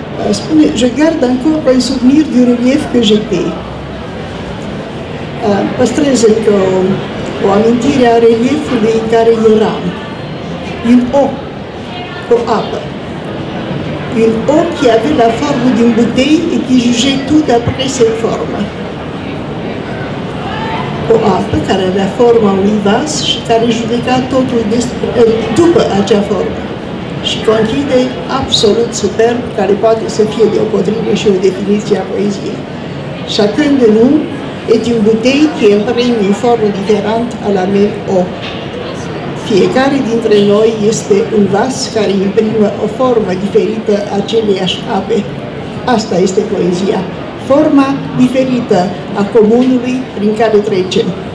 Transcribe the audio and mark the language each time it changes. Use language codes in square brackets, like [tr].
[fr] Spune, je garde encore un souvenir du relief que j'étais. [ro] Păstrez încă o amintire a reliefului în care eram. Un ochi, o apă. [fr] Un ochi qui avait la forme d'une bouteille et qui jugeait tout d'après ses formes. [ro] O apă care avea forma unui vas și care judeca totul după acea formă. Și conchide absolut superb, care poate să fie deopotrivă și o definiție a poeziei. [fr] Chacun de nous est une bouteille qui imprime une forme différente à la même eau. [ro] Fiecare dintre noi este un vas care imprimă o formă diferită aceleiași ape. Asta este poezia. Forma diferită a comunului prin care trecem.